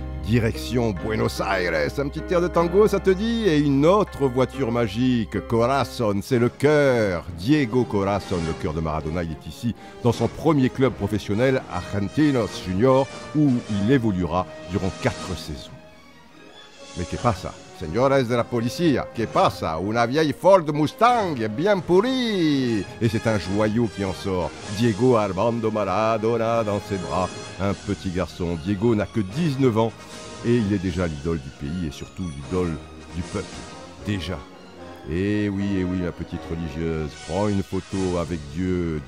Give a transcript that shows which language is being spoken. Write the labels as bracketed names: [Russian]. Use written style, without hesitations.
[French] Direction Buenos Aires, un petit air de tango, ça te dit? Et une autre voiture magique, Corazon, c'est le cœur. Diego Corazon, le cœur de Maradona, il est ici, dans son premier club professionnel, Argentinos Junior, où il évoluera durant 4 saisons. Mais [Spanish] que pasa, señores de la policía, que pasa, [French] una vieille Ford Mustang bien pourrie. Et c'est un joyau qui en sort, Diego Armando Maradona dans ses bras. Un petit garçon, Diego n'a que 19 ans et il est déjà l'idole du pays et surtout l'idole du peuple, déjà. Eh oui, ma petite religieuse, prends une photo avec Dieu.